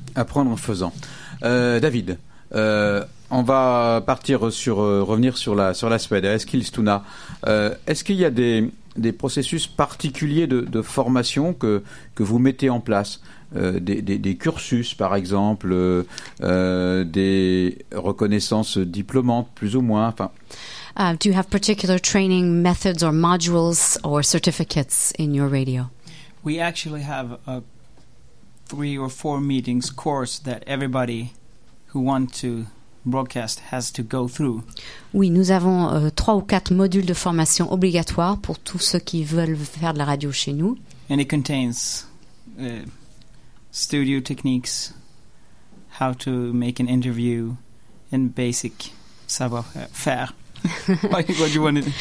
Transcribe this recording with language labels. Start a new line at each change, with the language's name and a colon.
French: Apprendre en faisant. David, on va revenir sur la Suède. Est-ce qu'il y a des processus particuliers de formation que vous mettez en place? Des cursus, par exemple, des reconnaissances diplômantes, plus ou moins. Enfin.
English: Do you have particular training methods or modules or certificates in your radio? We actually have a 3 or 4 meetings course that everybody who wants to broadcast has to go through.
French: Oui, nous avons 3 ou 4 modules de formation obligatoires pour tous ceux qui veulent faire de la radio chez nous.
English: And it contains studio techniques, how to make an interview, and basic savoir-faire. What you wanted.